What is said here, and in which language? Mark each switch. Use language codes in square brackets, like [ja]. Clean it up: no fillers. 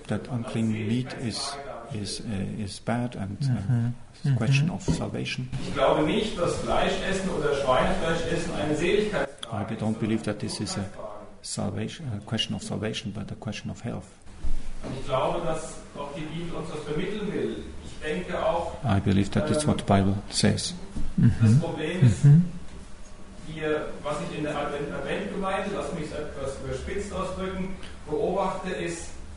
[en] That unclean meat is bad and question of salvation. [de] Ich glaube nicht, dass Fleisch essen oder Schweinefleisch essen eine Seligkeit ist. [en] I don't believe that this is a question of salvation, but a question of health. [de] Ich glaube, dass auch die Bibel uns das vermitteln will. Ich denke auch. [en] I believe that is what the Bible says. [de] Das Problem ist, hier, was ich in der Adventgemeinde, lass mich etwas überspitzt ausdrücken, beobachte ist.